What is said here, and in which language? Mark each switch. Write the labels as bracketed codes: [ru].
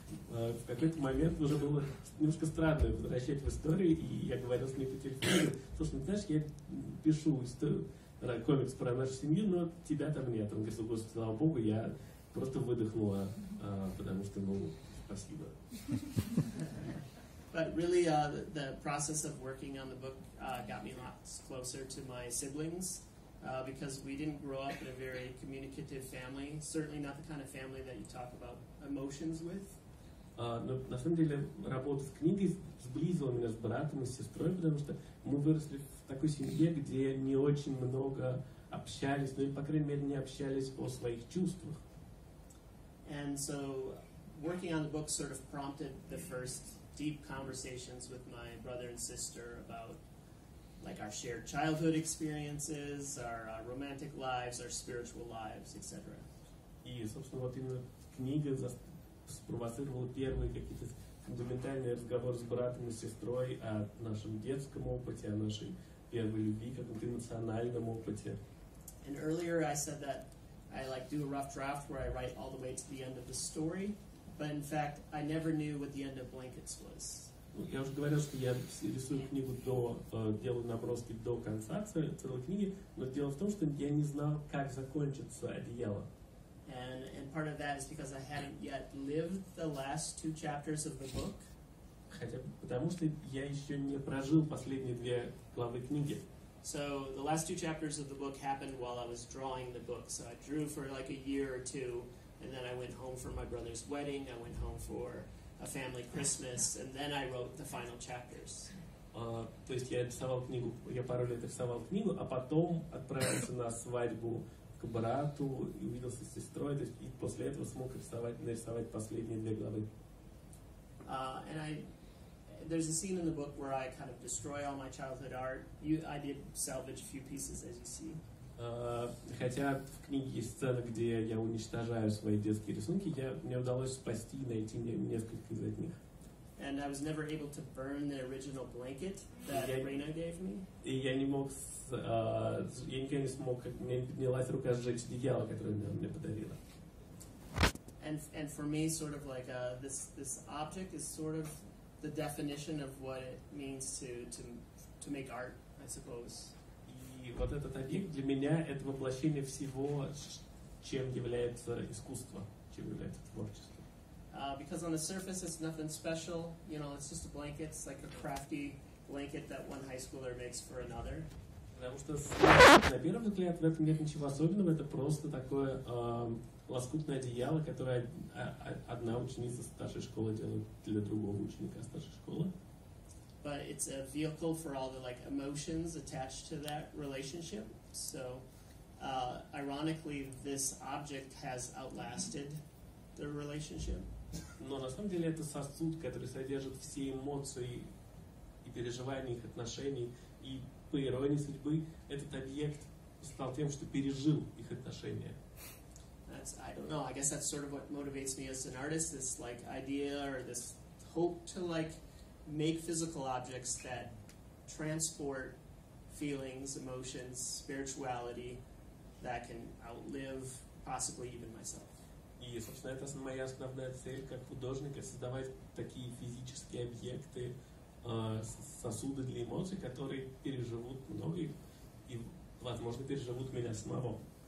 [ru] В какой-то момент уже было немножко странно возвращать в историю, и я говорил с ней по телефону, слушай, знаешь, я пишу историю, комикс про нашу семью, но тебя там нет. Он говорит, господи, слава богу, я просто выдохнула, потому что, ну, спасибо. [en] But really, the process of working on the book got me lots closer to my siblings, because we didn't grow up in a very communicative family, certainly not the kind of family that you talk about emotions with. [ru] Но на самом деле работа с книгой сблизила меня с братом и с сестрой, потому что мы выросли в такой семье, где не очень много общались, ну и, по крайней мере, не общались о своих чувствах. [en] And so working on the book sort of prompted the first deep conversations with my brother and sister about like our shared childhood experiences, our romantic lives, our spiritual lives, etc. [ru] И, собственно, вот именно книга спровоцировала первые какие-то фундаментальные разговоры с братом и сестрой о нашем детском опыте, о нашей первой любви, каком-то эмоциональном опыте. [en] And earlier I said that I like do a rough draft where I write all the way to the end of the story, but in fact I never knew what the end of blankets was. [ru] Я уже говорил, что я рисую книгу до, делаю наброски до конца целой книги, но дело в том, что я не знал, как закончится одеяло. [en] And part of that is because I hadn't yet lived the last two chapters of the book. [ru] Хотя, потому что я еще не прожил последние две главы книги. [en] So the last two chapters of the book happened while I was drawing the book. So I drew for like a year or two, and then I went home for my brother's wedding, I went home for a family Christmas, and then I wrote the final chapters. [ru] То есть я рисовал книгу, я пару лет рисовал книгу, а потом отправился на свадьбу к брату и увиделся с сестрой, то есть и после этого смог нарисовать последние две главы. [en] And there's a scene in the book where I kind of destroy all my childhood art. I did salvage a few pieces, as you see. [ru] Хотя в книге есть сцена, где я уничтожаю свои детские рисунки, мне удалось спасти и найти несколько из них. [en] And I was never able to burn the original blanket that Reina gave me. [ru] И я не мог, я никогда не смог, не поднялась рука сжечь одеяло, которое она мне подарила. [en] And for me, sort of like this object is sort of the definition of what it means to make art, I suppose. [ru] И вот этот объект для меня это воплощение всего, чем является искусство, чем является творчество. [en] Because on the surface it's nothing special, you know, it's just a blanket, it's like a crafty blanket that one high schooler makes for another. [ru] Потому что на первый взгляд в этом нет ничего особенного, это просто такое лоскутное одеяло, которое одна ученица старшей школы делает для другого ученика старшей школы. [en] But it's a vehicle for all the like emotions attached to that relationship. So, ironically, this object has outlasted the relationship. [ru] Но на самом деле это сосуд, который содержит все эмоции и переживания их отношений. И по иронии судьбы этот объект стал тем, что пережил их отношения. [en] That's, I don't know. I guess that's sort of what motivates me as an artist. This like idea or this hope to like. Make physical objects that transport feelings, emotions, spirituality that can outlive possibly even myself. [ru] И, собственно, это моя основная цель как художника — создавать такие физические объекты, сосуды для эмоций, которые переживут многих и, возможно, переживут меня самого.